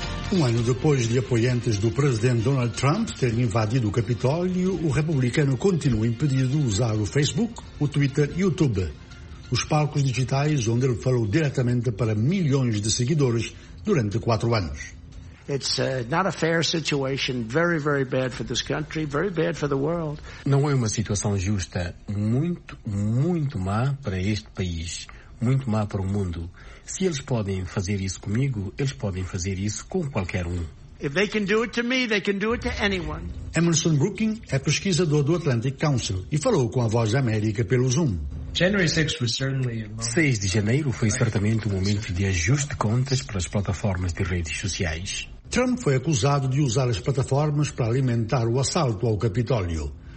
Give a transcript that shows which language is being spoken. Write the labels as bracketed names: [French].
[Portuguese] Um ano depois de apoiantes do presidente Donald Trump terem invadido o Capitólio, o republicano continua impedido de usar o Facebook, o Twitter e o YouTube, os palcos digitais onde ele falou diretamente para milhões de seguidores durante 4 anos. [English] It's not a fair situation, very, very bad for this country, very bad for the world. [Portuguese] Não é uma situação justa, muito, muito má para este país, muito má para o mundo. Se eles podem fazer isso comigo, eles podem fazer isso com qualquer um. [English] If they can do it to me, they can do it to anyone. [Portuguese] Emerson Brooking é pesquisador do Atlantic Council e falou com a Voz da América pelo Zoom. 6 de janeiro foi certamente um momento de ajuste de contas para as plataformas de redes sociais. Trump foi acusado de usar as plataformas para alimentar o assalto ao Capitólio.